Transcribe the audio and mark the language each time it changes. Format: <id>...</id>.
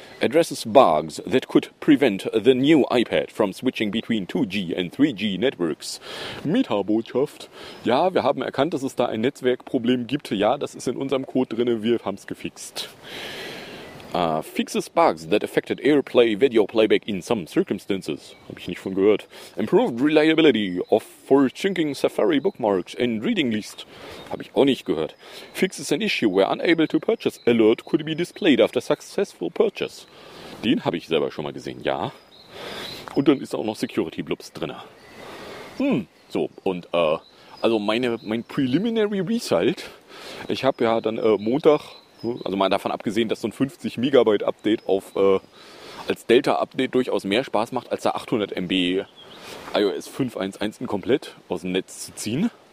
<en>Addresses bugs that could prevent the new iPad from switching between 2G and 3G networks.</en> <de>Meta-Botschaft. Ja, wir haben erkannt, dass es da ein Netzwerkproblem gibt. Ja, das ist in unserem Code drin. Wir haben es gefixt.</de> <en>Fixes bugs that affected AirPlay video playback in some circumstances.</en> <de>Habe ich nicht von gehört.</de> <en>Improved reliability of for syncing Safari bookmarks and reading list.</en> <de>Habe ich auch nicht gehört.</de> <en>Fixes an issue where unable to purchase alert could be displayed after successful purchase.</en> <de>Den habe ich selber schon mal gesehen, ja. Und dann ist auch noch Security Blobs drin. So, und also mein</de> <en>preliminary result.</en> <de>Ich habe ja dann Montag. Also mal davon abgesehen, dass so ein 50 Megabyte Update auf als Delta Update durchaus mehr Spaß macht, als da 800 MB iOS 5.1.1 komplett aus dem Netz zu ziehen.</de>